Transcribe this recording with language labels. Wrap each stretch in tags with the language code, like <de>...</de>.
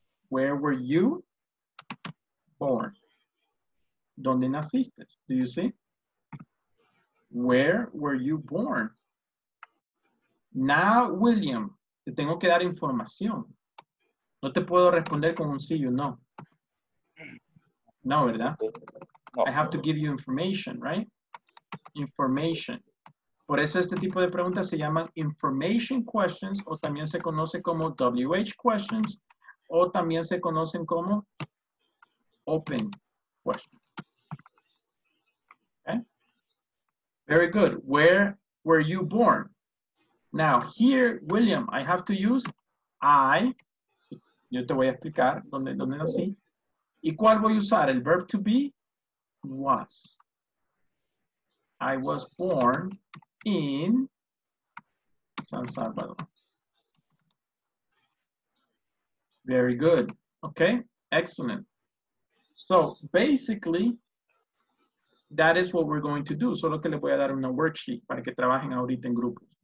<en>Where were you born?</en> <es>¿Dónde naciste?</es> <en>Do you see? Where were you born? Now, William,</en> <es>te tengo que dar información. No te puedo responder con un sí o no. No, ¿verdad?</es> <en>No. I have to give you information, right? Information.</en> <es>Por eso este tipo de preguntas se llaman</es> <en>information questions</en> <es>o también se conoce como WH questions o también se conocen como</es> <en>open questions. Okay? Very good. Where were you born? Now, here, William, I have to use I.</en> <es>Yo te voy a explicar dónde, dónde nací. ¿Y cuál voy a usar? El</es> <en>verb to be,</en> <es>was.</es> <en>I was born in San Salvador. Very good. Okay, excellent. So, basically, that is what we're going to do.</en> <es>Solo que les voy a dar una worksheet para que trabajen ahorita en grupos.</es>